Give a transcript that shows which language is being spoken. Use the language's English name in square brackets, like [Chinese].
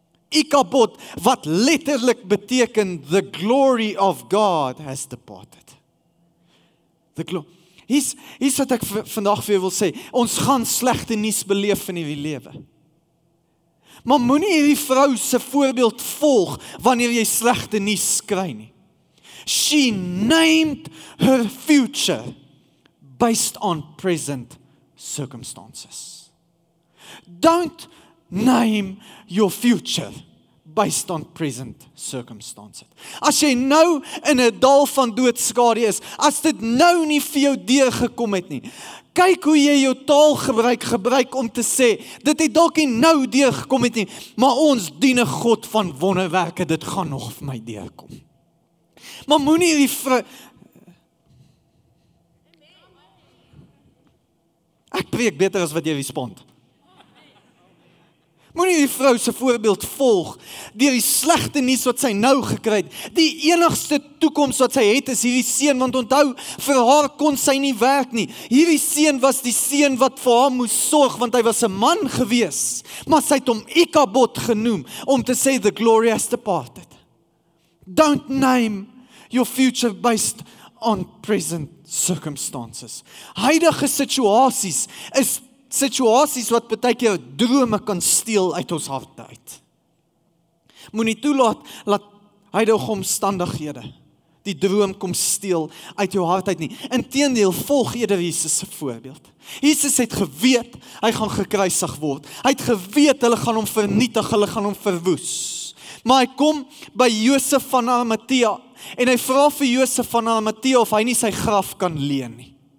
[English] Ikabod, [Afrikaans] wat letterlik beteken [English] the glory of God has departed. The glory. [Afrikaans] Hier is wat ek vandag vir jou wil sê. Ons gaan slegte nuus beleef in hierdie lewe. Maar moenie hierdie vrou se voorbeeld volg wanneer jy slegte nuus kry nie. [English] She named her future based on present circumstances. Don't name your future based on present circumstances. [Afrikaans] As jy nou in 'n dal van doodskade is, as dit nou nie vir jou deur gekom het nie, kyk hoe jy jou taal gebruik om te sê, dit het dalk nie nou deur gekom het nie, maar ons dien 'n God van wonderwerke, dit gaan nog vir my deurkom. Maar moenie hierdie Ek preek beter as wat jy respond. Moenie die vrou se voorbeeld volg deur die slegte nuus wat sy nou gekry het. Die enigste toekoms wat sy het is hierdie seun, want onthou, vir haar kon sy nie werk nie. Hierdie seun was die seun wat vir haar moes sorg, want hy was 'n man gewees. Maar sy het hom Ikabod genoem, om te sê, [English] the glory has departed. Don't name your future based on present circumstances. [Afrikaans] Huidige situasies is situasies wat baie keer drome kan steel uit ons harte uit. Moenie toelaat dat huidige omstandighede die droom kom steel uit jou hart uit nie. Inteendeel, volg eerder Jesus se voorbeeld. Jesus het geweet hy gaan gekruisig word. Hy het geweet hulle gaan hom vernietig, hulle gaan hom verwoes. Maar hy kom by Josef van Arimatea en hy vra vir Josef van Arimatea of hy nie sy graf kan leen nie.